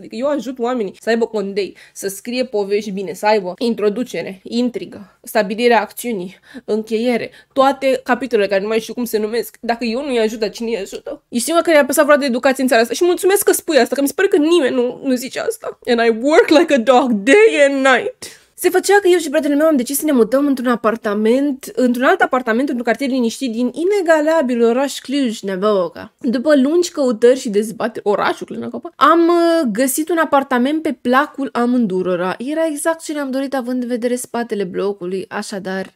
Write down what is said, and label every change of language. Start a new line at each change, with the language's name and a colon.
Romanian: Adică eu ajut oamenii să aibă condei, să scrie povești bine, să aibă introducere, intrigă, stabilirea acțiunii, încheiere, toate capitolele care nu mai știu cum se numesc. Dacă eu nu-i ajut, dar cine îi ajută? Ești singura care i-a apăsat vreodată educație în țara asta. Și mulțumesc că spui asta, că mi se pare că nimeni nu zice asta.
English: And I work like a dog day and night.
Romanian: Se făcea că eu și prietenul meu am decis să ne mutăm într-un alt apartament, într-un cartier liniștit din inegalabil oraș Cluj-Napoca. După lungi căutări și dezbateri, orașul Cluj-Napoca, am găsit un apartament pe placul amândurora. Era exact ce ne-am dorit având în vedere spatele blocului, așadar.